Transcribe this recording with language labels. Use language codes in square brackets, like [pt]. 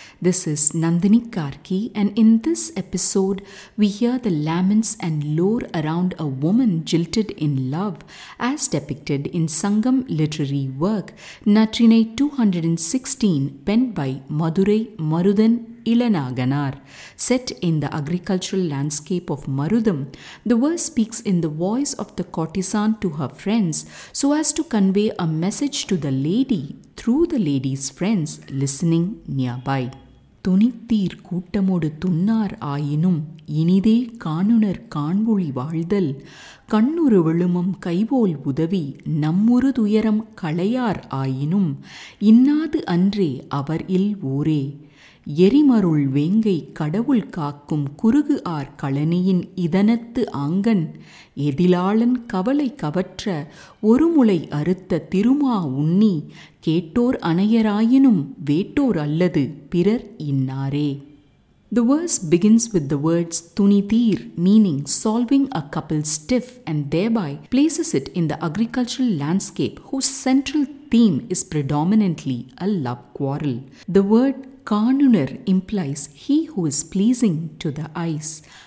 [en] This is Nandini Karki, and in this episode, we hear the laments and lore around a woman jilted in love, as depicted in Sangam literary work Natrinai 216, penned by Madurai Maruthan Ilanaakanaar. Set in the agricultural landscape of Marutham, the verse speaks in the voice of the courtesan to her friends so as to convey a message to the lady through the lady's friends listening nearby. [ta] துணித்தீர் கூட்டமோடு துன்னார் ஆயினும் இனிதே காணுனர் காண்பொழி வாழ்தல் கண்ணுறு விழுமம் கைவோல் உதவி நம்முறு துயரம் களையார் ஆயினும் இன்னாது அன்றே அவர் இல் ஊரே எரிமருள் வேங்கை கடவுள் காக்கும் குறுகு ஆர் கழனியின் இதனத்து ஆங்கன் எதிலாளன் கவலை கவற்ற ஒருமுளை அறுத்த திருமா உண்ணி கேட்டோர் அணையராயினும் வேட்டோர் அல்லது பிறர் இன்னாரே. [en] The verse begins with the words Tunitir, meaning solving a couple's tiff, and thereby places it in the agricultural landscape whose central theme is predominantly a love quarrel. The word Kanunar implies he who is pleasing to the eyes.